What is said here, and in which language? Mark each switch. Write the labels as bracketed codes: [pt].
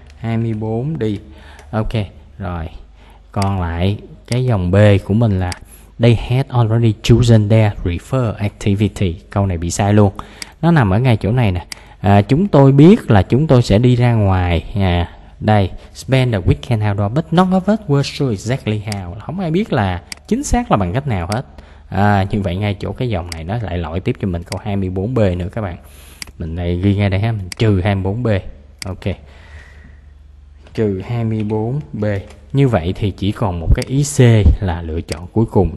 [vi] 24 đi. Ok. Rồi. Còn lại cái dòng B của mình là [en] they had already chosen their refer activity. [vi] Câu này bị sai luôn. Nó nằm ở ngay chỗ này nè. Chúng tôi biết là chúng tôi sẽ đi ra ngoài nha. Đây, [en] spend the weekend outdoor, but none of us were sure exactly how. [vi] Không ai biết là chính xác là bằng cách nào hết. Như vậy ngay chỗ cái dòng này nó lại lỗi tiếp cho mình câu 24B nữa các bạn. Mình này ghi ngay đây ha, mình trừ 24B. Ok. Trừ 24B. Như vậy thì chỉ còn một cái ý C là lựa chọn cuối cùng.